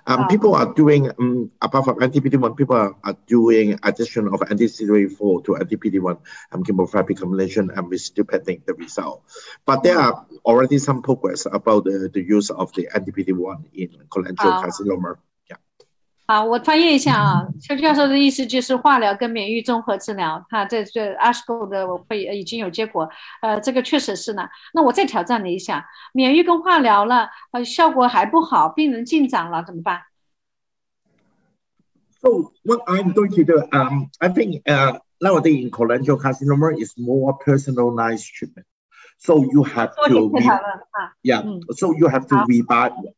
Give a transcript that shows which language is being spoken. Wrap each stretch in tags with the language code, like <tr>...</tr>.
<en>People are doing, apart from anti-PD-1, people are doing addition of anti-CTLA-4 to anti-PD-1 chemotherapy combination, and we're still pending the result. But there are already some progress about the use of the anti-PD-1 in colorectal carcinoma.</en> <zh>我翻译一下啊，邱教授的意思就是化疗跟免疫综合治疗，他这 ASCO 的会已经有结果，这个确实是呢。那我再挑战你一下，免疫跟化疗了，效果还不好，病人进展了怎么办</zh> <en>？So what I'm going to do, I think, nowadays in colorectal carcinoma is more personalized treatment. So you have to so you have to rebound.</en>